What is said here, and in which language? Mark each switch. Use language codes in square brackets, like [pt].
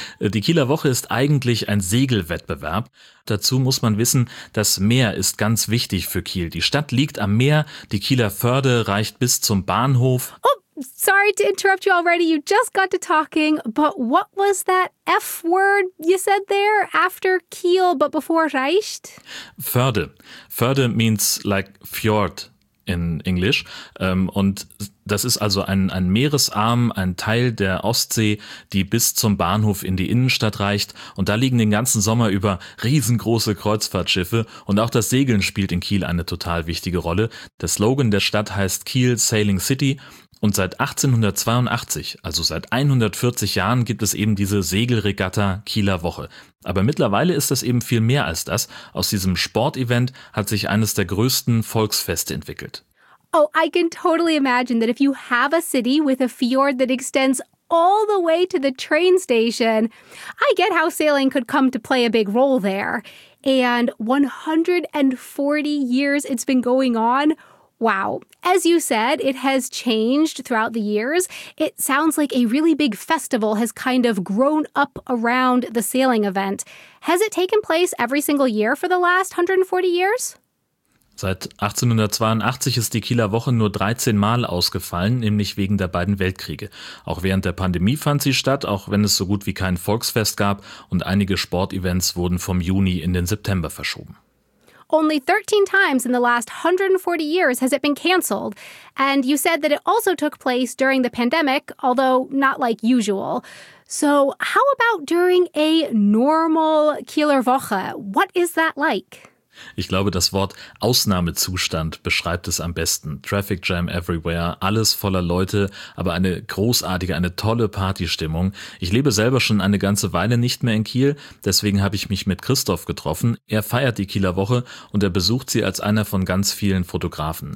[de] Die Kieler Woche ist eigentlich ein Segelwettbewerb. Dazu muss man wissen, das Meer ist ganz wichtig für Kiel. Die Stadt liegt am Meer, die Kieler Förde reicht bis zum Bahnhof. [en] Oh, sorry to interrupt you already, you just got to talking, but what was that F word you said there after Kiel but before reicht? Förde. Förde means like fjord in English. [de] Und das ist also ein Meeresarm, ein Teil der Ostsee, die bis zum Bahnhof in die Innenstadt reicht. Und da liegen den ganzen Sommer über riesengroße Kreuzfahrtschiffe. Und auch das Segeln spielt in Kiel eine total wichtige Rolle. Der Slogan der Stadt heißt Kiel Sailing City. Und seit 1882, also seit 140 Jahren, gibt es eben diese Segelregatta Kieler Woche. Aber mittlerweile ist das eben viel mehr als das. Aus diesem Sportevent hat sich eines der größten Volksfeste entwickelt. [en] Oh, I can totally imagine that if you have a city with a fjord that extends all the way to the train station, I get how sailing could come to play a big role there. And 140 years it's been going on. Wow. As you said, it has changed throughout the years. It sounds like a really big festival has kind of grown up around the sailing event. Has it taken place every single year for the last 140 years? [de] Seit 1882 ist die Kieler Woche nur 13 Mal ausgefallen, nämlich wegen der beiden Weltkriege. Auch während der Pandemie fand sie statt, auch wenn es so gut wie kein Volksfest gab und einige Sportevents wurden vom Juni in den September verschoben. [en] Only 13 times in the last 140 years has it been cancelled. And you said that it also took place during the pandemic, although not like usual. So how about during a normal Kieler Woche? What is that like? [de] Ich glaube, das Wort Ausnahmezustand beschreibt es am besten. [en] Traffic Jam everywhere, [de] alles voller Leute, aber eine großartige, eine tolle Partystimmung. Ich lebe selber schon eine ganze Weile nicht mehr in Kiel, deswegen habe ich mich mit Christoph getroffen. Er feiert die Kieler Woche und er besucht sie als einer von ganz vielen Fotografen.